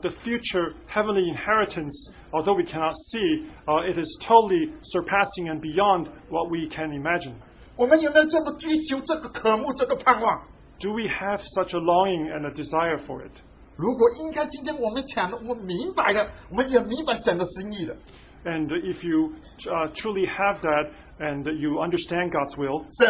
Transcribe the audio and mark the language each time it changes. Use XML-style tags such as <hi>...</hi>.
<en>the future heavenly inheritance, although we cannot see, it is totally surpassing and beyond what we can imagine.</en> <zh>我们有没有这么追求，这个渴慕，这个盼望？</zh> <en>Do we have such a longing and a desire for it?</en> <zh>如果应该今天我们讲的，我们明白的，我们也明白神的心意的。</zh> <en>And if you truly have that and you understand God's will,</en>